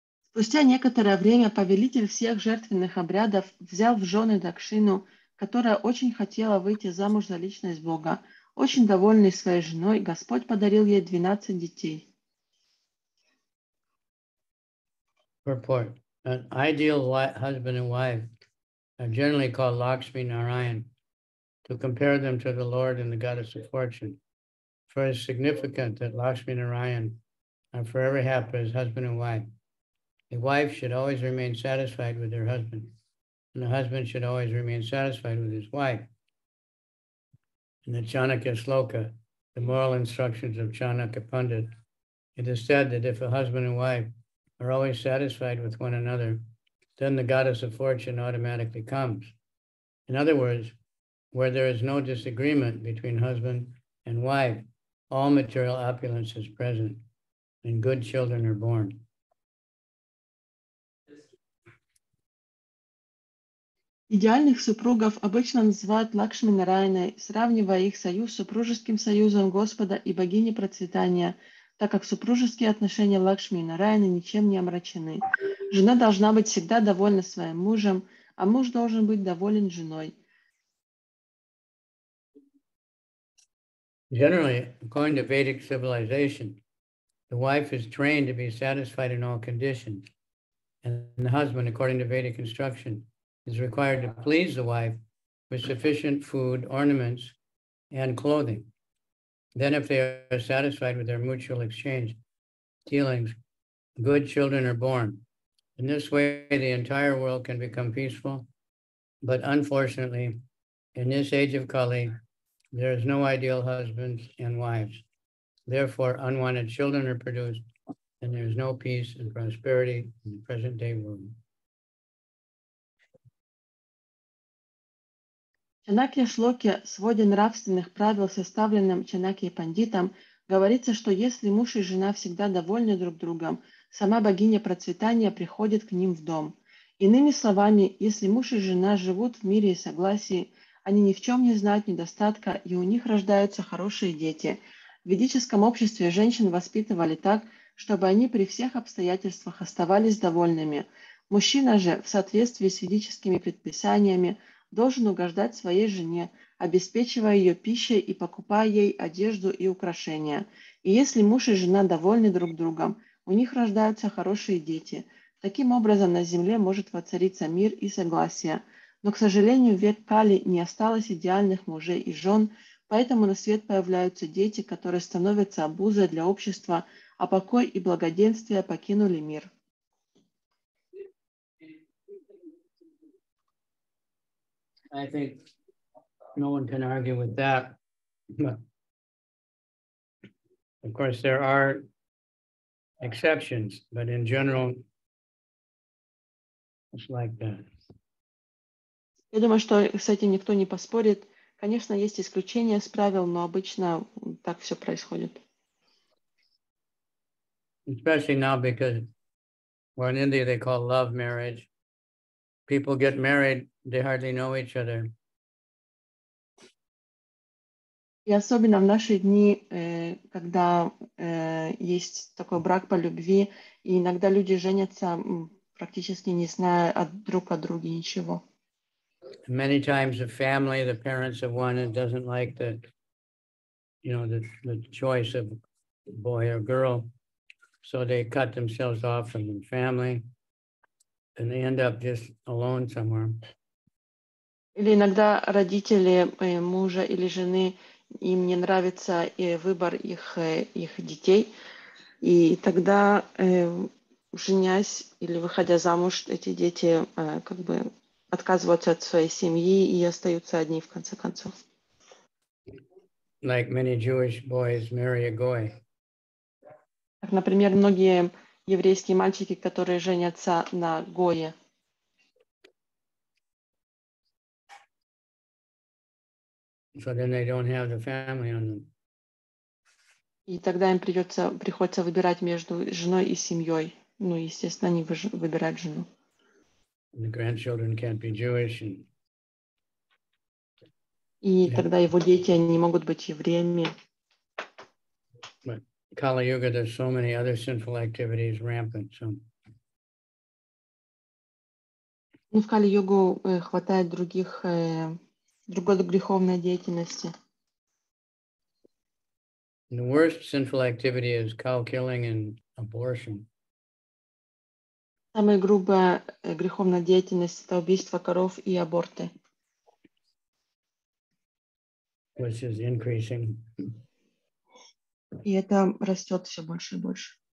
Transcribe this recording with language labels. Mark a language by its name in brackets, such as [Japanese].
[Russian] Спустя некоторое время повелитель всех жертвенных обрядов взял в жены Дакшину, которая очень хотела выйти замуж за личность Бога. Очень довольный своей женой, Господь подарил ей 12 детей. [English] Purport. An ideal husband and wife are generally called Lakshmi Narayan, to compare them to the Lord and the Goddess of Fortune. For it is significant that Lakshmi Narayan are forever happy as husband and wife. A wife should always remain satisfied with her husband. And the husband should always remain satisfied with his wife. In the Chanakya Sloka, the moral instructions of Chanakya Pandit, it is said that if a husband and wife are always satisfied with one another, then the goddess of fortune automatically comes. In other words, where there is no disagreement between husband and wife, all material opulence is present and good children are born. [Russian] Идеальных супругов обычно называют Лакшми Нарайной, сравнивая их союз с супружеским союзом Господа и богини процветания, так как супружеские отношения Лакшми и Нарайны ничем не омрачены. Жена должна быть всегда довольна своим мужем, а муж должен быть доволен женой. [English] Generally, according to Vedic civilization, the wife is trained to be satisfied in all conditions, and the husband, according to Vedic instruction, is required to please the wife with sufficient food, ornaments, and clothing. Then if they are satisfied with their mutual exchange dealings, good children are born. In this way, the entire world can become peaceful. But unfortunately, in this age of Kali, there is no ideal husbands and wives. Therefore, unwanted children are produced, and there is no peace and prosperity in the present day world. [Russian] Чанакья Шлоке, своде нравственных правил, составленным Чанакья Пандитом, говорится, что если муж и жена всегда довольны друг другом, сама богиня процветания приходит к ним в дом. Иными словами, если муж и жена живут в мире и согласии, они ни в чем не знают недостатка, и у них рождаются хорошие дети. В ведическом обществе женщин воспитывали так, чтобы они при всех обстоятельствах оставались довольными. Мужчина же, в соответствии с ведическими предписаниями, должен угождать своей жене, обеспечивая ее пищей и покупая ей одежду и украшения. И если муж и жена довольны друг другом, у них рождаются хорошие дети. Таким образом, на земле может воцариться мир и согласие. Но, к сожалению, в век Кали не осталось идеальных мужей и жен, поэтому на свет появляются дети, которые становятся обузой для общества, а покой и благоденствие покинули мир. [English] I think no one can argue with that, but Of course, there are exceptions, but in general, it's like that. [Russian] Я думаю, что с этим никто не поспорит. Конечно, есть исключения с правил, но обычно так все происходит. [English] Especially now because well, in India they call love marriage. People get married, they hardly know each other. [Russian] И особенно в наши дни, когда есть такой брак по любви, и иногда люди женятся, практически не зная друг о друге ничего. [English] Many times the family, the parents of one, it doesn't like the, you know, the choice of boy or girl, so they cut themselves off from the family, and they end up just alone somewhere. [Russian] Или иногда родители мужа или жены им не нравится выбор их детей, и тогда женясь или выходя замуж, эти дети как бы отказываются от своей семьи и остаются одни в конце концов. [English] Like many Jewish boys marry a goy. [Russian] Так, например, многие еврейские мальчики, которые женятся на гое. [English] So then they don't have the family on them. [Russian] И тогда им приходится выбирать между женой и семьей. Ну, естественно, они выбирают жену. [English] The grandchildren can't be Jewish. And... [Russian] И тогда его дети не могут быть евреями. [English] But Kali Yuga, there's so many other sinful activities rampant. So... [Russian] Ну, в Кали-Югу хватает других, другой греховной деятельности. [English] And the worst sinful activity is cow killing and abortion. [Russian] Самая грубая греховная деятельность — это убийство коров и аборты. [English] Which is increasing. [Russian] И это растет все больше и больше.